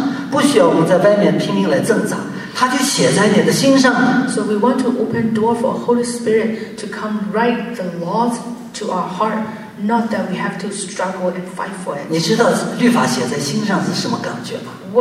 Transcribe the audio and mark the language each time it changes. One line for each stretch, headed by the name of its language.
Chinese: 我们让神的圣灵呢敞开，就把他把所有的美好都要赐给我们，把那个律法呢是写在我们的心上，不需要我们在外面拼命来挣扎。
English: So we want to open door for Holy Spirit to come write the laws to our heart, not that we have to struggle and fight for it.
Chinese: 你知道律法写在心上是什么感觉吗?